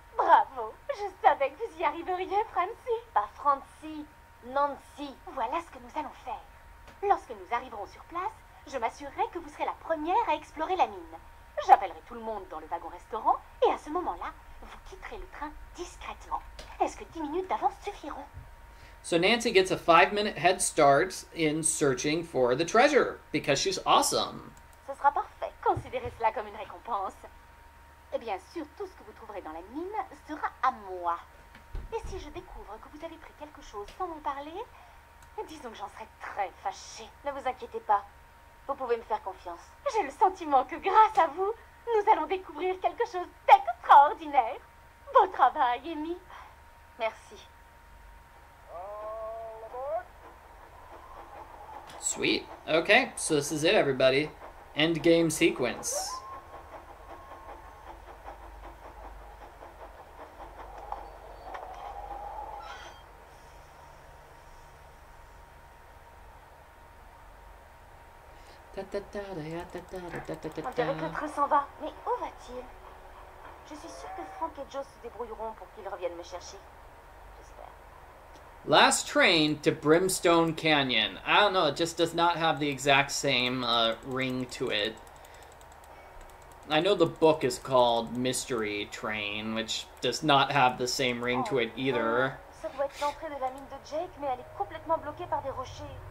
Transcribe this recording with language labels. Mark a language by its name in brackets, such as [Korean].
[French] Bravo! Je savais que vous y arriveriez, Francie. Pas Francie, Nancy. Voilà ce que nous allons faire. Lorsque nous arriverons sur place, je m'assurerai que vous serez la première à explorer la mine. J'appellerai tout le monde dans le wagon-restaurant et à ce moment-là, vous quitterez le train discrètement. Est-ce que 10 minutes d'avance suffiront? [English] So Nancy gets a 5-minute head start in searching for the treasure because she's awesome. [French] Ce sera parfait. Considérez cela comme... comme une récompense. Et bien sûr, tout ce que vous trouverez dans la mine sera à moi. Et si je découvre que vous avez pris quelque chose sans m'en parler, disons que j'en serais très fâchée. Ne vous inquiétez pas, vous pouvez me faire confiance. J'ai le sentiment que grâce à vous, nous allons découvrir quelque chose d'extraordinaire. Bon travail, Amy. Merci. [English] Sweet. Okay, so this is it, everybody. End game sequence. [French] On dirait que le train s'en va. Mais où va-t-il? Je suis sûre que Frank et Joe se débrouilleront pour qu'ils reviennent me chercher. [English] Last train to Brimstone Canyon. I don't know, it just does not have the exact same ring to it. I know the book is called Mystery Train, which does not have the same ring to it either. [French] Ça doit être l'entrée de la mine de Jake, mais elle est complètement bloquée par des rochers.